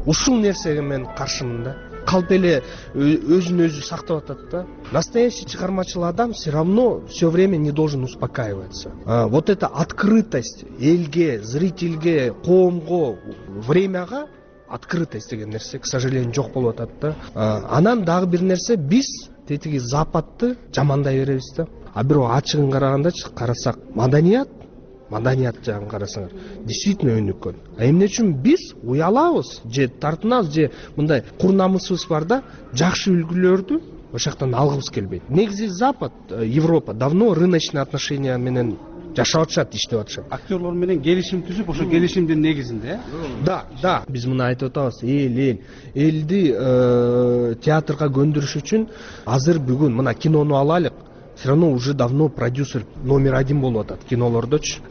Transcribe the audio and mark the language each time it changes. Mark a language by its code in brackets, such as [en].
[ky] Ушул нерсеге мен каршымын да. Калп эле өзүн өзү сактап атат да. [ru] Настоящий [ky] чыгармачыл адам [ru] все равно все время не должен успокаиваться. Вот эта открытость [ky] элге, [ru] зрительге, [ky] коомго, [ru] времяга открытость [ky] деген нерсе, [ru] к сожалению, [ky] жок болуп атат да. Анан дагы бир нерсе, биз тетиги Западды жамандай беребиз да. А бирок ачыгын карагандачы карасак, маданият жагын карасаңар, [ru] действительно [ky] өнүккөн. А эмне үчүн биз уялабыз же тартынабыз же мындай курнамысыбыз бар да, жакшы үлгүлөрдү ошол жактан алгыбыз келбейт. Негизи Запад, Европа [ru] давно рыночные отношения [ky] менен жашап атышат, иштеп атышат. Актерлор менен келишим түзүп, ошол келишимдин негизинде, э? Да, да. Биз муну айтып атабыз. Элди театрга көндүрүш үчүн азыр бүгүн мына кинону алалык. [ru] Все равно уже давно продюсер номер один [ky] болуп атат кинолордочу.